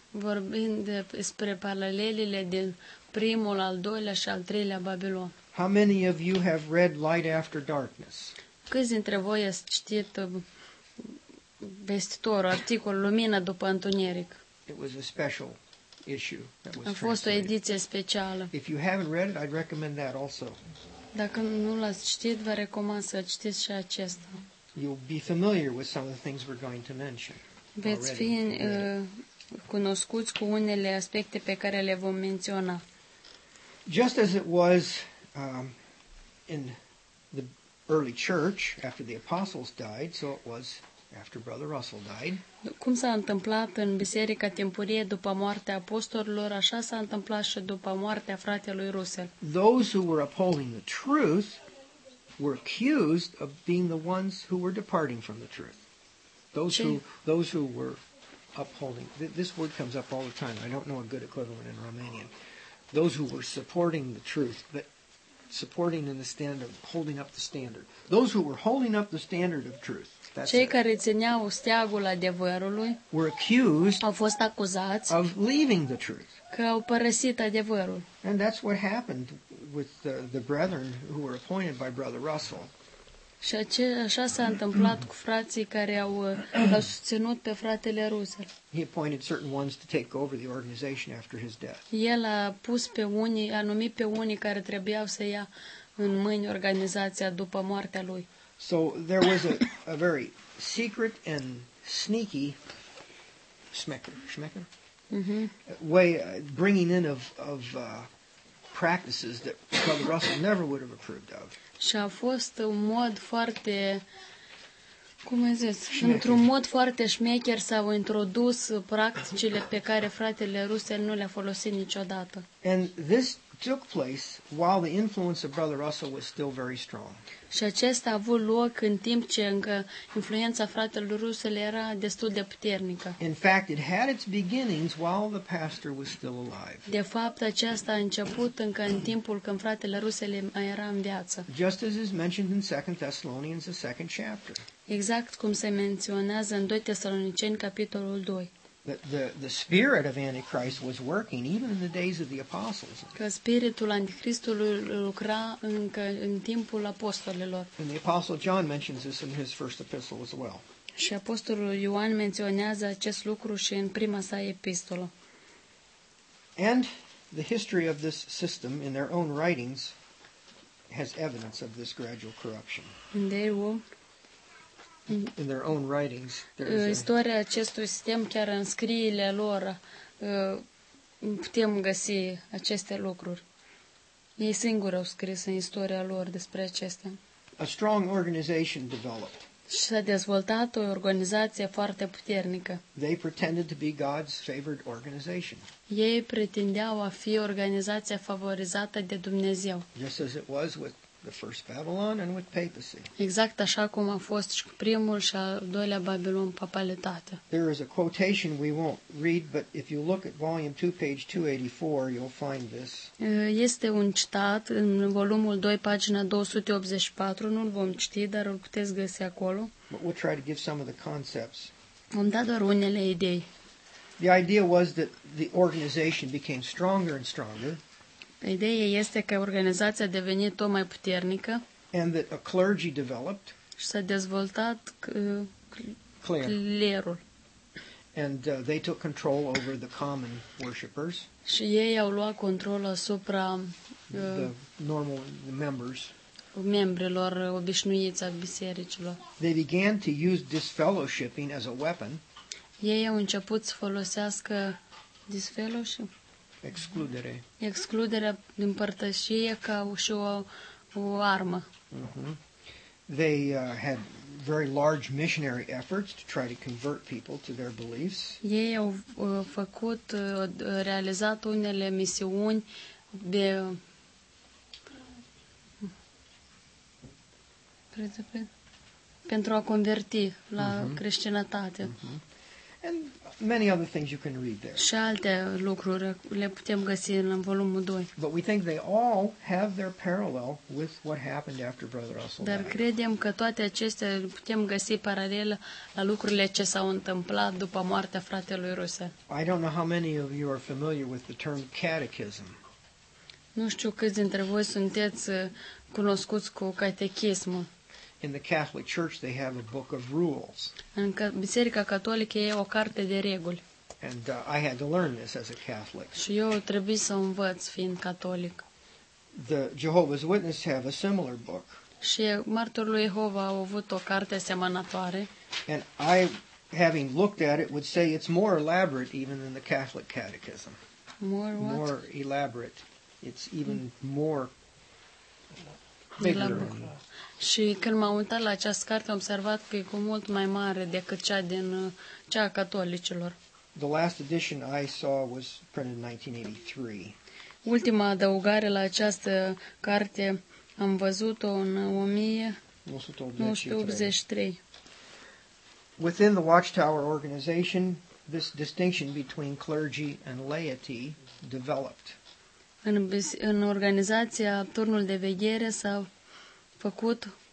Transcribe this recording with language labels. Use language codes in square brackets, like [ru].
[ro] Vorbind despre paralelele din primul, al doilea și al treilea Babilon. [en] How many of you have read Light After Darkness? [ro] Câți dintre voi ați citit Vestitorul, articolul Lumina după Întuneric? [en] It was a special issue that was [ro] a fost [en] translated. [ro] O ediție specială. [en] If you haven't read it, I'd recommend that also. [ro] Dacă nu l-ați citit, vă recomand să citiți și acesta. [en] You'll be familiar with some of the things we're going to mention. [ro] Veți fi cunoscuți cu unele aspecte pe care le vom menționa. [en] Just as it was in the early church after the apostles died, so it was after Brother Russell died. [ro] Cum s-a întâmplat în biserica timpurie după moartea apostolilor, așa s-a întâmplat și după moartea fratelui Russell. [en] Those who were upholding the truth were accused of being the ones who were departing from the truth. Those who were upholding. This word comes up all the time. I don't know a good equivalent in Romanian. Those who were supporting the truth, but supporting in the standard, holding up the standard. Those who were holding up the standard of truth. [ro] Cei care țineau steagul adevărului [en] were accused, [ro] au fost acuzați, [en] of leaving the truth. [ro] Că au părăsit adevărul. [en] And that's what happened with the brethren who were appointed by Brother Russell. [ro] Și așa s-a întâmplat cu frații care l-au susținut pe fratele Russell. [en] He appointed certain ones to take over the organization after his death. [ro] El a pus pe unii, a numit pe unii care trebuiau să ia în mâini organizația după moartea lui. [en] So there was a very secret and sneaky schmecker way bringing in of practices that Brother Russell never would have approved of. [ro] Și a fost un mod foarte, cum ai zis, într-un mod foarte șmecher s-au introdus practicile pe care fratele Russell nu le-a folosit niciodată. [en] And this took place while the influence of Brother Russell was still very strong. [ro] Și acesta a avut loc în timp ce încă influența fratelui Russell era destul de puternică. [en] In fact, it had its beginnings while the pastor was still alive. [ro] De fapt, aceasta a început încă în timpul când fratele Russell mai era în viață. [en] Just as is mentioned in 2 Thessalonians, the second chapter. [ro] Exact cum se menționează în 2 Tesaloniceni, capitolul 2. [en] The spirit of Antichrist was working even in the days of the apostles. [ro] Că spiritul anticristului lucra încă în timpul apostolilor. [en] And the apostle John mentions this in his first epistle as well. [ro] Și apostolul Ioan menționează acest lucru și în prima sa epistolă. [en] And the history of this system in their own writings has evidence of this gradual corruption. In their own writings, there is [ro] istoria acestui sistem chiar în scrierile lor putem găsi aceste lucruri. Ei singuri au scris în istoria lor despre acestea. [en] A strong organization developed. [ro] S-a dezvoltat o organizație foarte puternică. [en] They pretended to be God's favored organization. [ro] Ei pretindeau a fi organizația favorizată de Dumnezeu. [en] Just as it was with the first Babylon and with papacy. [ro] Exact așa cum a fost și primul și al doilea Babilon papalitate. [en] There is a quotation we won't read, but if you look at volume 2 page 284, you'll find this. [ro] Este un citat în volumul 2 pagina 284, nu-l vom citi, dar îl puteți găsi acolo. [en] But we'll try to give some of the concepts. [ro] Vom da doar unele idei. [en] The idea was that the organization became stronger and stronger. [ro] Ideea este că organizația a devenit tot mai puternică. [en] And that a clergy developed. [ro] Și s-a dezvoltat clerul. [en] And they took control over the common worshippers. [ro] Și ei au luat control asupra [en] the members. [ro] Membrilor obișnuiți a bisericilor. [en] They began to use disfellowshipping as a weapon. [ro] Ei au început să folosească disfellowship. Excludere. Excluderea din părtășie ca și o armă. Mm-hmm. [en] They had very large missionary efforts to try to convert people to their beliefs. [ro] Ei au făcut, realizat unele misiuni de... pentru a converti la creștinătate. [en] And many other things you can read there. [ro] Și alte lucruri le putem găsi în volumul 2. [en] But we think they all have their parallel with what happened after Brother Russell died. [ro] Dar credem că toate acestea putem găsi paralelă la lucrurile ce s-au întâmplat după moartea fratelui Russell. [en] I don't know how many of you are familiar with the term catechism. [ro] Nu știu câți dintre voi sunteți cunoscuți cu catechismul. [en] In the Catholic Church they have a book of rules. [ro] În Biserica Catolică e o carte de reguli. [en] And I had to learn this as a Catholic. [ro] Și eu trebuie să învăț fiind catolic. [en] The Jehovah's Witnesses have a similar book. [ro] Și Martorii Jehova au avut o carte asemănătoare. [en] And I, having looked at it, would say it's more elaborate even than the Catholic Catechism. More what? More elaborate. It's even more bigger. [ro] Și când m-am uitat la această carte, am observat că e cu mult mai mare decât cea din cea a catolicilor. [en] The last edition I saw was printed in 1983. [ro] Ultima adăugare la această carte am văzut-o în 1983. [en] Within the Watchtower organization, this distinction between clergy and laity developed. [ro] În organizația Turnul de Veghere s-a făcut